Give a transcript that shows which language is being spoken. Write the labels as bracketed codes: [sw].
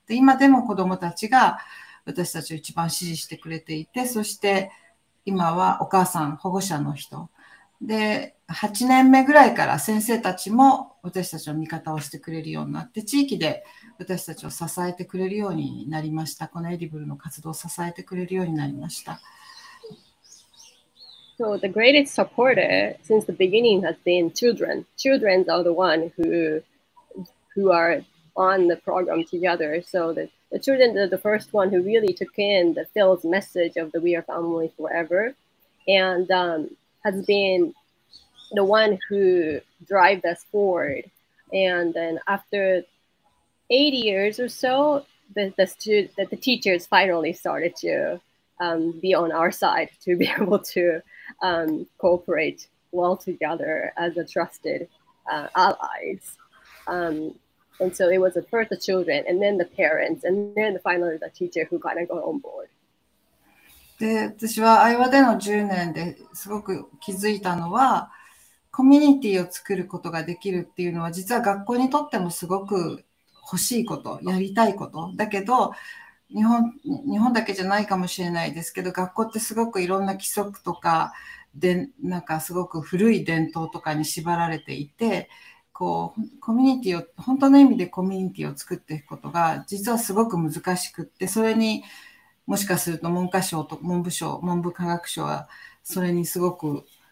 [ja] で、今でも子どもたちが私たちを一番支持してくれていて、そして今はお母さん、保護者の人で8年目ぐらいから先生たちも私たちの味方をしてくれるようになって地域で私たちを支えてくれるようになりました。このエディブルの活動を支えてくれるようになりました。 [en] So the greatest supporter since the beginning has been children. Children are the one who are on the program together. So the children are the first one who really took in the Phil's message of the We Are Family Forever, and has been the one who drives us forward. And then after 8 years or so, the teachers finally started to be on our side to be able to cooperate well together as a trusted allies. And so it was at first the children, and then the parents, and then finally the teacher who kind of got on board. [ja] で、私は愛和での10年ですごく気づいたのは、コミュニティを作ることができるっていうのは、実は学校にとってもすごく欲しいこと、やりたいこと。だけど、日本だけじゃないかもしれないですけど、学校ってすごくいろんな規則とか、でなんかすごく古い伝統とかに縛られていて、こうコミュニティを本当の意味でコミュニティを作っていくことが実はすごく難しくって、それにもしかすると文部科学省はそれにすごく